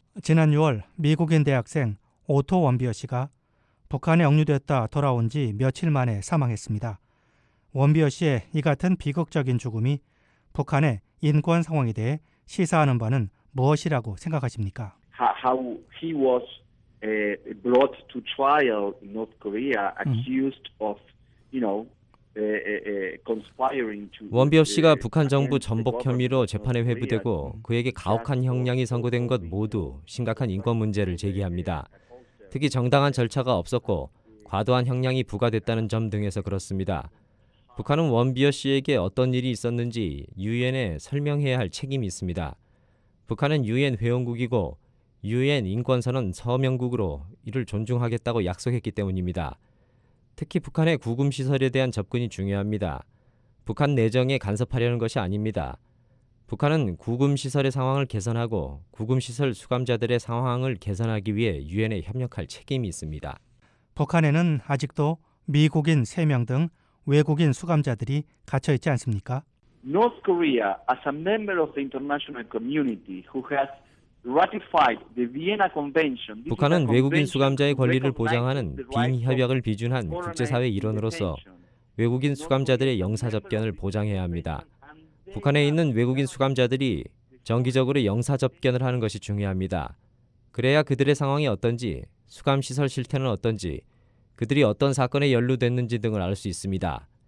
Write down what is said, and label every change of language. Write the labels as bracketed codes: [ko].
[ko] 지난 6월 미국인 대학생 오토 원비어 씨가 북한에 억류됐다 돌아온 지 며칠 만에 사망했습니다. 원비어 씨의 이 같은 비극적인 죽음이 북한의 인권 상황에 대해 시사하는 바는 무엇이라고 생각하십니까? [en] How he was brought to trial in North Korea, accused of, you know, [ko] 원비어 씨가 북한 정부 전복 혐의로 재판에 회부되고 그에게 가혹한 형량이 선고된 것 모두 심각한 인권 문제를 제기합니다. 특히 정당한 절차가 없었고 과도한 형량이 부과됐다는 점 등에서 그렇습니다. 북한은 원비어 씨에게 어떤 일이 있었는지 유엔에 설명해야 할 책임이 있습니다. 북한은 유엔 회원국이고 유엔 인권선언 서명국으로 이를 존중하겠다고 약속했기 때문입니다. 특히 북한의 구금시설에 대한 접근이 중요합니다. 북한 내정에 간섭하려는 것이 아닙니다. 북한은 구금시설의 상황을 개선하고 구금시설 수감자들의 상황을 개선하기 위해 유엔에 협력할 책임이 있습니다. 북한에는 아직도 미국인 3명 등 외국인 수감자들이 갇혀 있지 않습니까? [en] North Korea, as a member of the international community who has ratified the Vienna Convention, [ko] 북한은 외국인 수감자의 권리를 보장하는 빈 협약을 비준한 국제사회 일원으로서 외국인 수감자들의 영사 접견을 보장해야 합니다. 북한에 있는 외국인 수감자들이 정기적으로 영사 접견을 하는 것이 중요합니다. 그래야 그들의 상황이 어떤지, 수감시설 실태는 어떤지, 그들이 어떤 사건에 연루됐는지 등을 알 수 있습니다.